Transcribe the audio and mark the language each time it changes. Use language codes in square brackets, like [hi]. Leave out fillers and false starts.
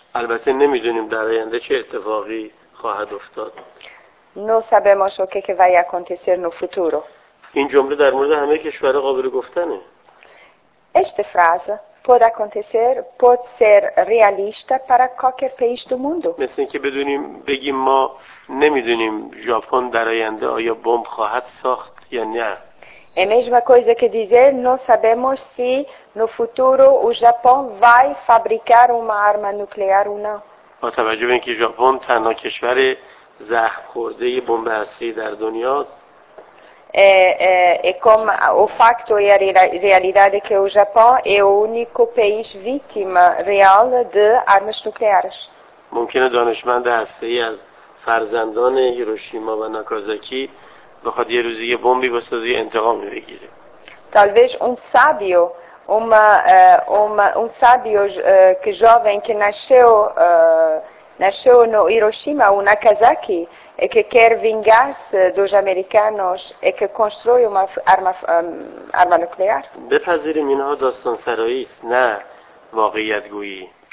[fa] البته نمیدونیم در آینده چه اتفاقی خواهد افتاد. [pt] Não sabemos o que vai acontecer no futuro. [fa] این جمله در مورد همه کشورها قابل گفتنه. [pt] Esta frase pode ser realista para qualquer país do mundo. [fa] مثل اینکه بدونیم بگیم ما نمیدونیم ژاپن در آینده آیا بمب خواهد ساخت یا نه. [pt] É a mesma coisa que dizer não sabemos se no futuro o Japão vai fabricar uma arma nuclear ou não. [fa] با توجه به اینکه ژاپن تنها کشور زخم خورده بمب هسته‌ای در دنیاست. [pt] E como o facto e a realidade que o Japão é o único país vítima real de armas nucleares. [fa] ممکنه دانشمند هسته‌ای از فرزندان هیروشیما و ناکازاکی بخواد یه روزی یه بمبی بسازه انتقام بگیره. [pt] Talvez sábio, um sábio que jovem que nasceu no Hiroshima ou Nagasaki e que quer vingar-se dos americanos e que constrói uma arma nuclear. [fa] بپذیریم اینها داستان سرایی است نه واقعیت گویی.